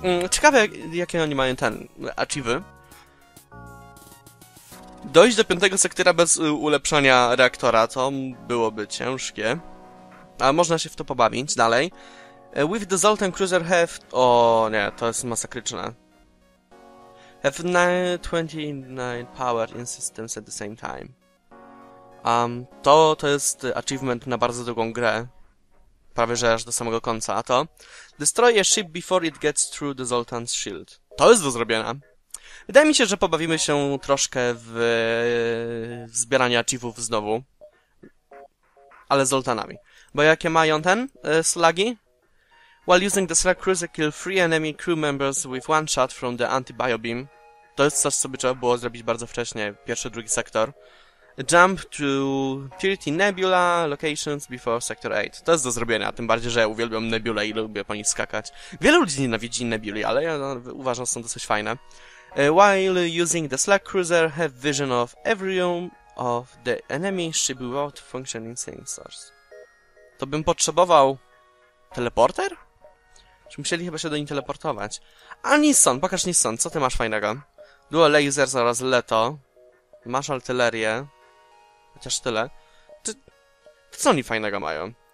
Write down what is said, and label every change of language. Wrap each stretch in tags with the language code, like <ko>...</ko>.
<pl>Ciekawe, jakie oni mają ten... achievy. Dojść do piątego sektora bez ulepszania reaktora, to byłoby ciężkie. A można się w to pobawić dalej.</pl> <en>With the Zoltan Cruiser have...</en> <pl>O nie, to jest masakryczne.</pl> <en>Have 29 power in systems at the same time.</en> <pl>To jest achievement na bardzo długą grę. Prawie że aż do samego końca, a to...</pl> <en>Destroy a ship before it gets through the Zoltan's shield.</en> <pl>To jest do zrobienia. Wydaje mi się, że pobawimy się troszkę w zbieranie achievów znowu. Ale z Zoltanami. Bo jakie mają ten slugi?</pl> <en>While using the Slug Cruiser, kill three enemy crew members with one shot from the anti-biobeam.</en> <pl>To jest coś, co by trzeba było zrobić bardzo wcześnie, pierwszy, drugi sektor.</pl> <en>Jump to 30 Nebula locations before Sector 8.</en> <pl>To jest do zrobienia, tym bardziej, że ja uwielbiam Nebulę i lubię po niej skakać. Wiele ludzi nienawidzi Nebuli, ale ja uważam, że są dosyć fajne.</pl> <en>While using the Slug Cruiser, have vision of every room of the enemy ship without functioning sensors.</en> <pl>To bym potrzebował... teleporter? Czy musieli chyba się do niej teleportować? A Nissan, pokaż Nissan, co ty masz fajnego? Dual Lasers oraz Leto. Masz artylerię. Chociaż tyle. To co oni fajnego mają?</pl>